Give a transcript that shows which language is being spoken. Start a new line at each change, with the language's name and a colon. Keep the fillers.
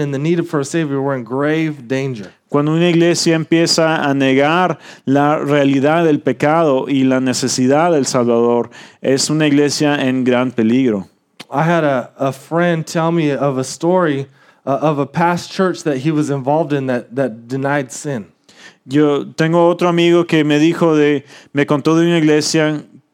English: and the need for a savior we're in grave danger.
Spanish: Cuando una iglesia empieza a negar la realidad del pecado y la necesidad del salvador, es una iglesia en gran peligro.
English: I had a, a friend tell me of a story of a past church that he was involved in that that denied sin.
Spanish: Yo tengo otro amigo que me dijo de me contó de una iglesia